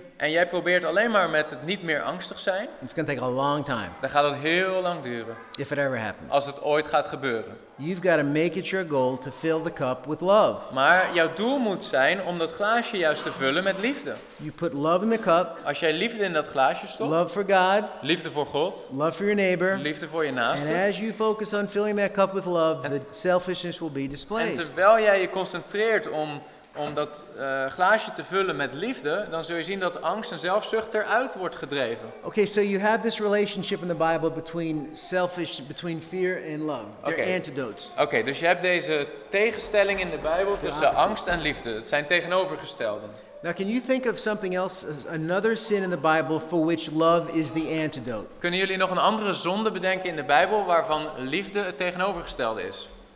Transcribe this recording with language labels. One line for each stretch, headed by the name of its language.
Dutch: En jij probeert alleen maar met het niet meer angstig zijn.
English: It's going to take a long time.
Dutch: Dan gaat het heel lang duren.
English: If it ever happens.
Dutch: Als het ooit gaat gebeuren.
English: You've got to make it your goal to fill the cup with love.
Dutch: Maar jouw doel moet zijn om dat glaasje juist te vullen met liefde.
English: You put love in the cup.
Dutch: Als jij liefde in dat glaasje stopt.
English: Love for God.
Dutch: Liefde voor God.
English: Love for your neighbor.
Dutch: Liefde voor je naaste.
English: And as you focus on filling that cup with love, the selfishness will be displaced.
Dutch: En terwijl jij je concentreert om dat glaasje te vullen met liefde, dan zul je zien dat angst en zelfzucht eruit wordt gedreven.
English: Okay, so you have this relationship in the Bible between fear and love. They're antidotes.
Dutch: Okay, dus je hebt deze tegenstelling in de Bijbel tussen angst en liefde. Het zijn tegenovergestelden.
English: Now, can you think of something else, another sin in the Bible for which love is the antidote?
Dutch: Kunnen jullie nog een andere zonde bedenken in de Bijbel waarvan liefde het tegenovergestelde is?